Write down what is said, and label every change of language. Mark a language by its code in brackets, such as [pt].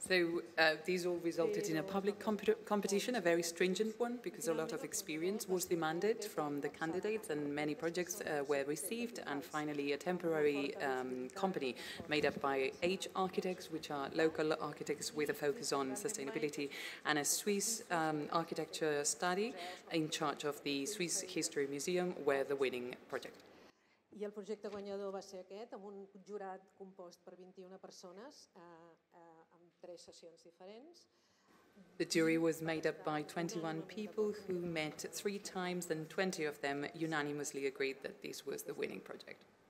[en] So these all resulted in a public competition, a very stringent one, because a lot of experience was demanded from the candidates and many projects were received. And finally, a temporary company made up by eight architects, which are local architects with a focus on sustainability, and a Swiss architecture study in charge of the Swiss History Museum were the winning project. [ca] I el projecte guanyador va ser aquest, amb un jurat compost per 21 persones, amb tres sessions diferents. [en] The jury was made up by 21 people who met three times, and 20 of them unanimously agreed that this was the winning project.